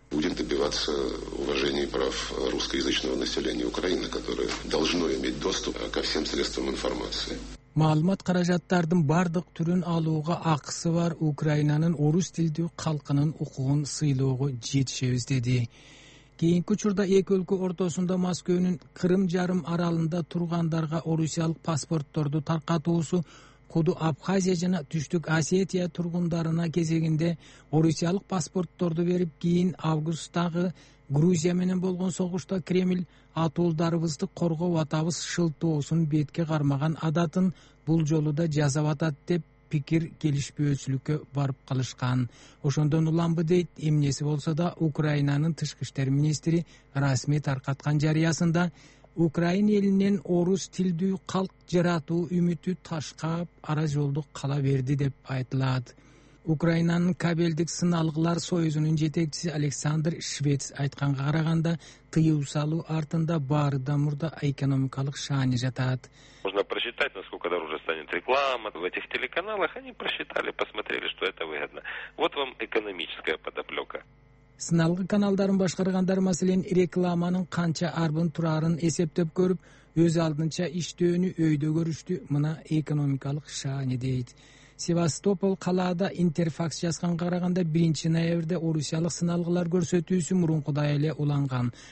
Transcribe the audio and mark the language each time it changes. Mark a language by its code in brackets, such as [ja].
[ru] Будем добиваться уважения прав русскоязычного населения Украины, которое должно иметь доступ ко всем средствам информации. [ky] Маалымат каражаттардын бардык түрүн алууга акысы бар Украинанын орус тилдүү калкынын укугун сыйлоого жетишебиз деди. Кийинки учурда эки өлкө ортосунда Москвонун Кырым жарым аралында тургандарга орусиялык паспортторду таркатуусу Куду Абхазия жана Түштүк Осетия тургундарына кезегинде орусиялык паспортторду берип, кийин августтагы Грузия менен болгон согушта Кремль атуулдарыбызды коргоп атабыз шылтоосун бетке кармаган адатын бул жолу да жасап атат деп пикир келишпөөчүлүккө барып калышкан. Ошондон улам бы дейт, эмнеси болсо да Украинанын тышкы иштер министри расмий таркаткан жарыясында Украина элинен орус тилдүү калк жаратуу үмүтү ташкап ара жолду кала берди деп айтылат. Украинанын кабелдик сыналгылар союзунун жетекчиси Александр Швец айтканга караганда, тыюу салуу артында баарыда мурда экономикалык шаани жатат. [ru] Можно просчитать, насколько дороже станет реклама в этих телеканалах. Они просчитали, посмотрели, что это выгодно. Вот вам экономическая подоплека. [ky] Сыналгы каналдарын башкаргандар маселен рекламанын канча арбын турарын эсептеп көрүп, өз алдынча иштөөнү өйдө көрүштү. Мына экономикалык шаани дейт. Севастопол калаада Интерфакс жазганга караганда 1 ноябрда орусиялык сыналгылар көрсөтүүсү мурункудай эле уланган.